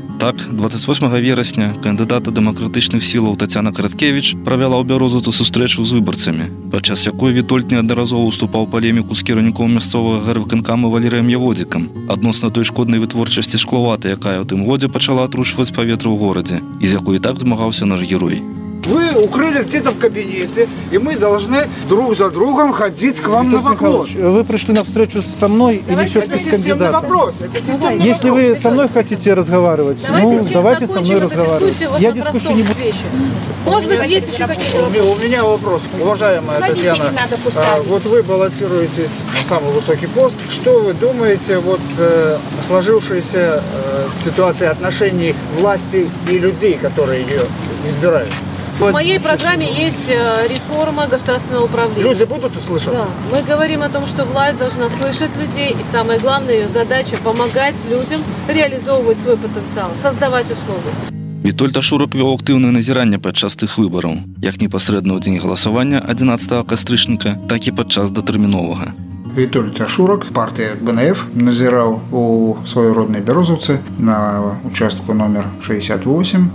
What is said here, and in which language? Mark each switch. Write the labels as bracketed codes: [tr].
[be] Так, 28 верасня кандыдата дэмакратычных сілаў Таццяна Караткевіч правяла ў Бярозаўцы сустрэчу з выбарцамі, падчас якой Вітольд неаднаразова ўступаў у палеміку з кіраўніком мясцовага гарвыканкама Валерыем Яводзікам адносна той шкоднай вытворчасці шкловаты, якая ў тым годзе пачала атручваць паветра ў горадзе і з якой так змагаўся наш герой. [ru] Вы укрылись где-то в кабинете, и мы должны друг за другом ходить к вам, Виталий, на поклон. Михайлович, вы пришли на встречу со мной, давайте, или все-таки с кандидатом? Вопрос, это системный вопрос. Если вы со мной хотите разговаривать, давайте, ну, давайте со мной разговаривать. Дискуссию, вот я дискуссию не буду. Вещи. Может быть, есть еще какие-то... У меня вопрос, уважаемая Татьяна. Вот вы баллотируетесь на самый высокий пост. Что вы думаете вот о сложившейся ситуации отношений власти и людей, которые ее избирают? В моей программе есть реформа государственного управления. Люди будут услышать? Да. Мы говорим о том, что власть должна слышать людей, и самое главное, ее задача – помогать людям реализовывать свой потенциал, создавать условия. [be] Вітольд Ашурак вёў актыўнае назіранне падчас тых выбараў, як непасрэдна ў дзень галасавання 11 кастрычніка, так і падчас датэрміновага. Вітольд Ашурак, партыя БНФ, назіраў у сваёй роднай Бярозаўцы на участку номер 68.